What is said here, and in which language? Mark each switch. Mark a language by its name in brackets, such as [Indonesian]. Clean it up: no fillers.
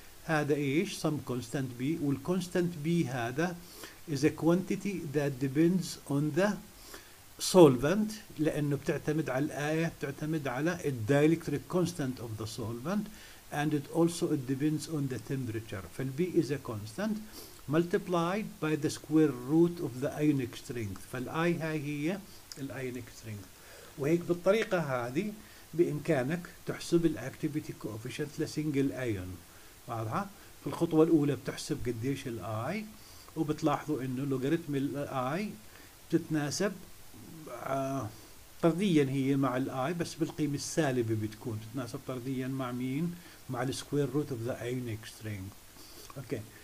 [Arabic] هذا إيش؟ سم كونستانت بي، والكونستانت بي هذا [English] is a quantity that depends on the solvent، [Arabic] لأنه بتعتمد على الآية، بتعتمد على الدايلكتريك كونستانت of the solvent [English] and it also it depends on the temperature. فالبي is a constant multiplied by the square root of the ionic strength. [Arabic] فالآي هاي هي الايونيك سترينث. وهيك بالطريقه هذه بامكانك تحسب الاكتيفيتي كوفيشنت لسنجل ايون. واضحه؟ في الخطوه الاولى بتحسب قديش الاي، وبتلاحظوا انه لوغاريتم الاي بتتناسب طرديا هي مع الاي بس بالقيمه السالبه، بتكون تتناسب طرديا مع مين؟ مع السكوير روت اوف ذا ايونيك سترينث. اوكي.